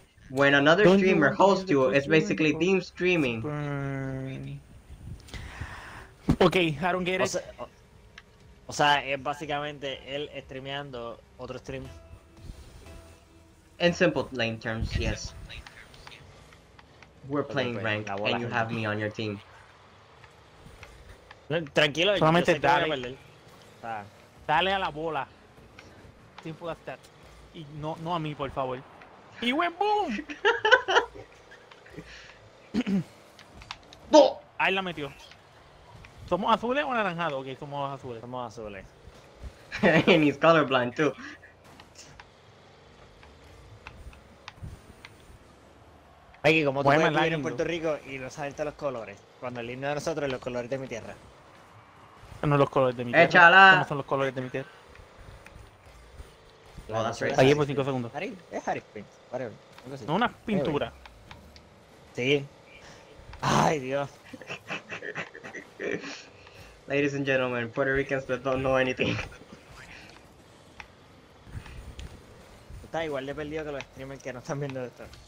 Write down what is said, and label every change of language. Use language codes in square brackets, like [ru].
[en] When another streamer hosts you, it's basically team streaming. Okay, I don't get it. [es] O sea, es básicamente él streameando otro stream. [en] In simple plain terms, yes. We're playing rank and you have me on your team. [es] Tranquilo, solamente dale. Dale a la bola. [en] Simple as that. [es] Y no, no a mí, por favor. [en] Y went boom. [es] No. Ahí la metió. ¿Somos azules o anaranjados? Ok, somos azules. Somos azules. [en] And he's colorblind too. [es] Oye, ¿cómo tú puedes vivir en Puerto Rico y no saberte los colores? Cuando el himno de nosotros es los colores de mi tierra. No los colores de mi tierra. ¡Échala! ¿Cómo son los colores de mi tierra? Oh, ahí por 5 segundos. Es Harry Prince. No, una pintura. Sí. ¡Ay, Dios! [en] Ladies and gentlemen, Puerto Ricans that don't know anything. [es] Está igual de perdido que los streamers que no están viendo esto.